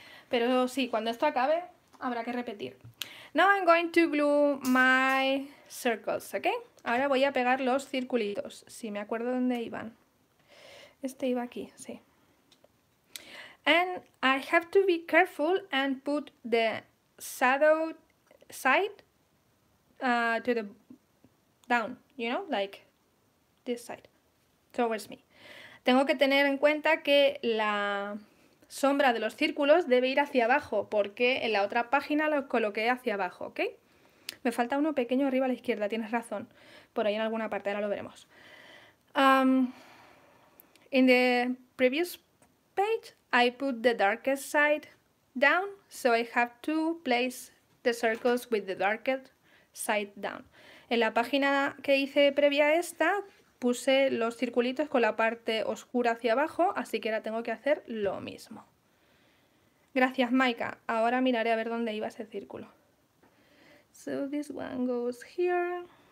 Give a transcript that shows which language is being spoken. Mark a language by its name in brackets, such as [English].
[Spanish] Pero sí, cuando esto acabe, habrá que repetir. [English] Now I'm going to glue my circles, okay? [Spanish] Ahora voy a pegar los circulitos, si me acuerdo dónde iban. Este iba aquí, sí. [English] And I have to be careful and put the shadow side to the down, you know, like this side, towards me. [Spanish] Tengo que tener en cuenta que la sombra de los círculos debe ir hacia abajo, porque en la otra página lo coloqué hacia abajo, ¿ok? Me falta uno pequeño arriba a la izquierda, tienes razón. Por ahí en alguna parte, ahora lo veremos. [English] In the previous page, I put the darkest side down, so I have to place the circles with the darkest side down. [Spanish] En la página que hice previa a esta, puse los circulitos con la parte oscura hacia abajo, así que ahora tengo que hacer lo mismo. Gracias, Maika. Ahora miraré a ver dónde iba ese círculo. [English] So this one goes here.